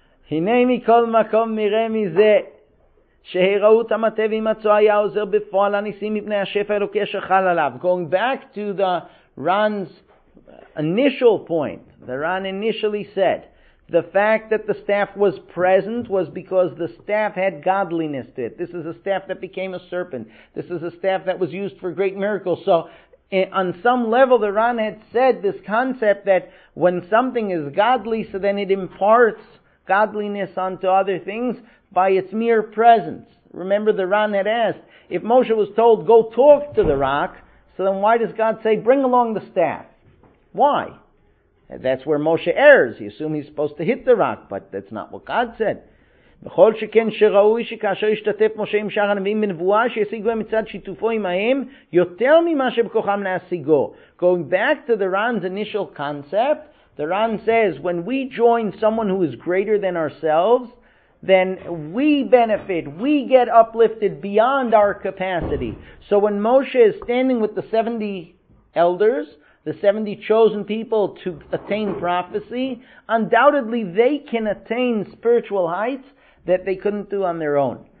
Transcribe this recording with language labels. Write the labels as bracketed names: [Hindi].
[Hebrew] הנה מכל מקום נראה מזה שהראו את המטה ועם הצועה היה עוזר בפועל הניסים מפני השפע אלוקי שחל עליו. [English] Going back to the Ran's initial point, the Ran initially said, the fact that the staff was present was because the staff had godliness to it. This is a staff that became a serpent. This is a staff that was used for great miracles. So on some level, the Ran had said this concept that when something is godly, so then it imparts godliness unto other things by its mere presence. Remember, the Ran had asked, if Moshe was told, go talk to the rock, so then why does God say, bring along the staff? Why? That's where Moshe errs. He assumes he's supposed to hit the rock, but that's not what God said. [Hebrew] בכל שכן שראוי שכאשר השתתף משה עם שאר הנביאים בנבואה שישיגו הם מצד שיתופו עמהם יותר ממה שבכוחם להשיגו. [English] Going back to the Ran's initial concept, the Ran says, when we join someone who is greater than ourselves, then we benefit, we get uplifted beyond our capacity. So when Moshe is standing with the 70 elders, the 70 chosen people to attain prophecy, undoubtedly they can attain spiritual heights that they couldn't do on their own.